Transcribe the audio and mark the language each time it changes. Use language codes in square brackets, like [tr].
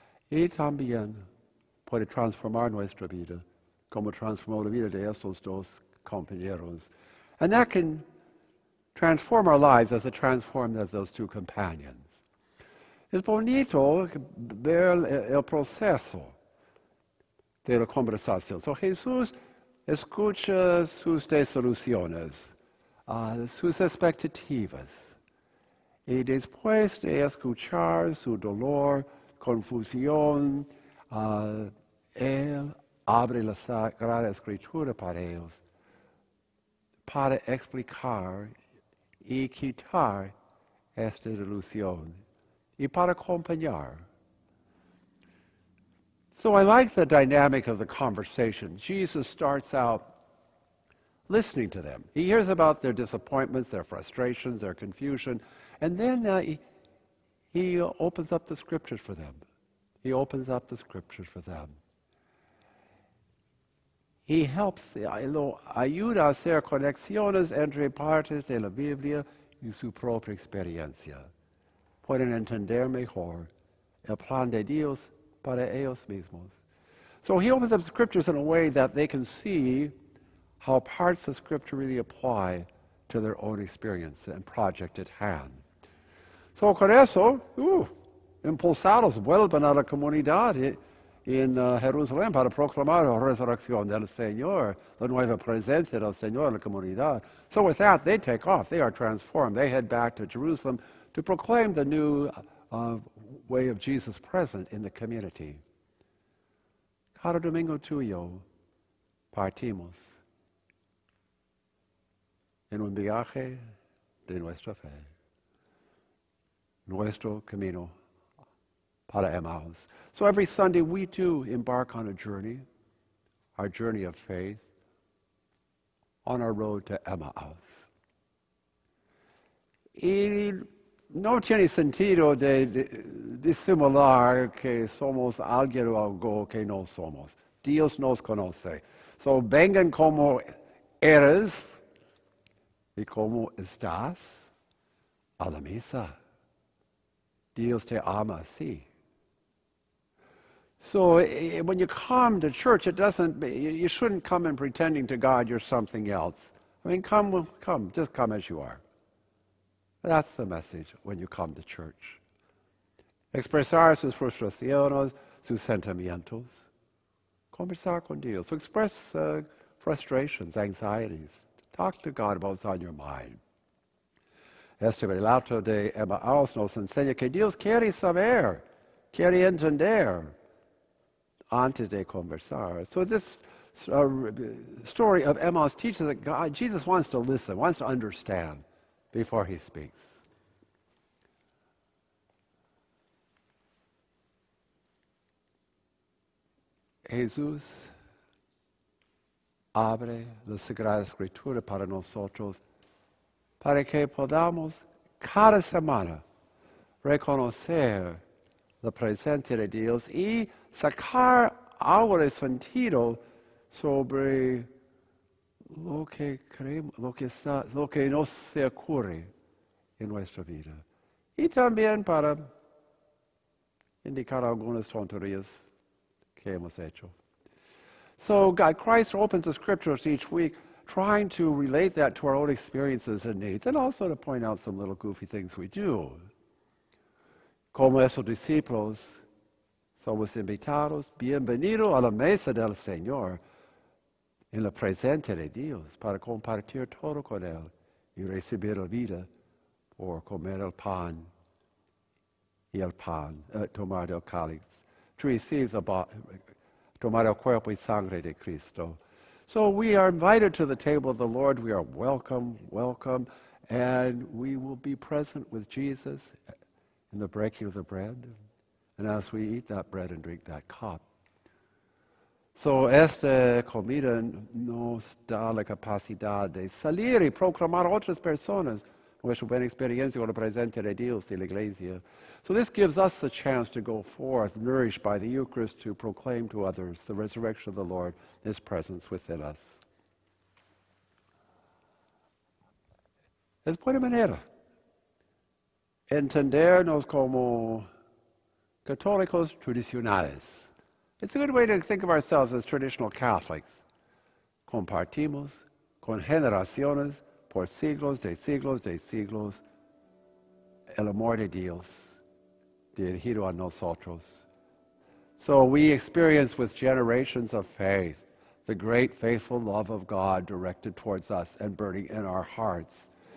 [es] Y también puede transformar nuestra vida, como transformó la vida de estos dos compañeros. [en] And that can transform our lives as it transformed those two companions. [es] Es bonito ver el proceso de la conversación. So Jesús escucha sus desilusiones, sus expectativas. Y después de escuchar su dolor, confusión, él abre la Sagrada Escritura para ellos, para explicar y quitar esta ilusión y para acompañar. [en] So I like the dynamic of the conversation. Jesus starts out listening to them. He hears about their disappointments, their frustrations, their confusion, and then he opens up the scriptures for them. He opens up the scriptures for them. He helps, [es] lo ayuda a hacer conexiones entre partes de la Biblia y su propia experiencia. Pueden entender mejor el plan de Dios para ellos mismos. [en] So he opens up scriptures in a way that they can see how parts of scripture really apply to their own experience and project at hand. [es] So con eso, impulsados, vuelven a la comunidad en Jerusalén para proclamar la resurrección del Señor, la nueva presencia del Señor en la comunidad. [en] So with that, they take off. They are transformed. They head back to Jerusalem to proclaim the new way of Jesus present in the community. [es] Cada domingo tuyo, partimos en un viaje de nuestra fe, nuestro camino para Emmaus. [en] So every Sunday we too embark on a journey, our journey of faith, on our road to Emmaus. [es] Y no tiene sentido de disimular que somos alguien o algo que no somos. Dios nos conoce. So vengan como eres y como estás a la misa. Dios te ama, sí. [en] So when you come to church, you shouldn't come in pretending to God you're something else. I mean, come, just come as you are. That's the message when you come to church. [es] Expresar sus frustraciones, sus sentimientos. Conversar con Dios. [en] So express frustrations, anxieties. Talk to God about what's on your mind. [es] Este relato de Emmaus nos enseña que Dios quiere saber, quiere entender antes de conversar. [en] So this story of Emmaus teaches that God, Jesus wants to listen, wants to understand before he speaks. [es] Jesús abre la Sagrada Escritura para nosotros para que podamos cada semana reconocer la presencia de Dios y sacar algo de sentido sobre lo que creemos, lo que no se ocurre en nuestra vida. Y también para indicar algunas tonterías que hemos hecho. [en] So God, Christ opens the scriptures each week trying to relate that to our own experiences and needs and also to point out some little goofy things we do. [es] Como esos discípulos, somos invitados, bienvenidos a la mesa del Señor, en la presencia de Dios, para compartir todo con Él y recibir la vida, por comer el pan y el pan, tomar el cáliz, [en] to receive the [es] tomar el cuerpo y sangre de Cristo. [en] So we are invited to the table of the Lord. We are welcome, welcome, and we will be present with Jesus in the breaking of the bread, and as we eat that bread and drink that cup. [es] So esta comida nos da la capacidad de salir y proclamar a otras personas nuestra buena experiencia con la presencia de Dios y la iglesia. [en] So this gives us the chance to go forth, nourished by the Eucharist, to proclaim to others the resurrection of the Lord, his presence within us. [es] Es buena manera entendernos como católicos tradicionales. [en] It's a good way to think of ourselves as traditional Catholics. [es] Compartimos con generaciones por siglos de siglos de siglos el amor de Dios dirigido a nosotros. [en] So we experience with generations of faith the great faithful love of God directed towards us and burning in our hearts.